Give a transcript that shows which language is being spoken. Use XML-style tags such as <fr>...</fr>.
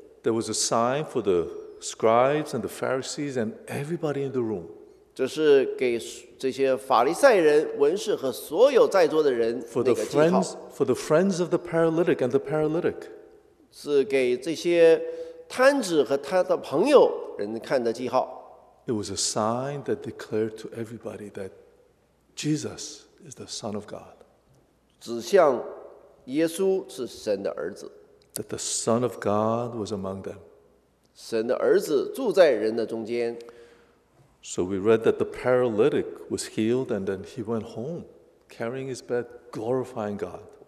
<en>There was a sign for the scribes and the Pharisees and everybody in the room.</en> <zh>这是给这些法利赛人、文士和所有在座的人那个记号。</zh> <en>For the friends of the paralytic and the paralytic.</en> <zh>是给这些瘫子和他的朋友人看的记号。</zh> <en>It was a sign that declared to everybody that Jesus is the Son of God.</en> <zh>指向耶稣是神的儿子。That</zh> <en>the Son of God was among them.</en> <zh>神的儿子住在人的中间。So</zh> <en>we read that the paralytic was healed and then he went home, carrying his bed, glorifying God.</en>